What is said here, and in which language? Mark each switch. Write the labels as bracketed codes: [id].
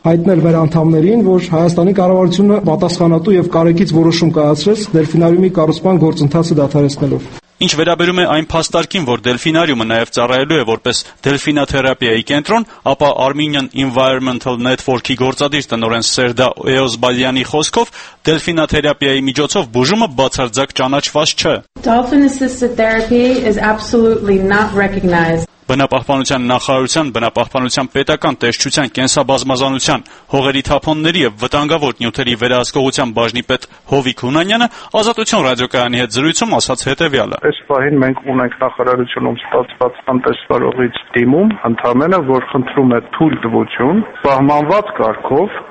[hy] հայտնել վերանդամներին, որ Հայաստանի կառավարությունը պատասխանատու և կարեկից որոշում կայացրեց դելֆինարիումի կառուցման գործընթացը դադարեցնելով։ Ինչ վերաբերում է այն փաստարկին, որ դելֆինարիումը նաև ծառայելու է որպես դելֆինաթերապիայի կենտրոն, ապա Armenian Environmental Network-ի գործադիր տնօրեն Սերդա Էոսբալյանի խոսքով, դելֆինաթերապիայի միջոցով բուժումը բացարձակ ճանաչված չէ։ [en] Dolphin-assisted therapy is absolutely not recognized. [hy] Բնապահպանության նախարարության, բնապահպանության պետական տեսչության կենսաբազմազանության, հողերի թափոնների և վտանգավոր նյութերի վերահսկողության բաժնի պետ Հովիկ Հունանյանը Ազատություն ռադիոկայանի հետ զրույցում ասաց հետևյալը. Այս պահին մենք ունենք նախարարությունում ստացված տնտեսվարողից դիմում, ընդհանրապես, որ խնդրում է թույլտվություն, սահմանված կարգով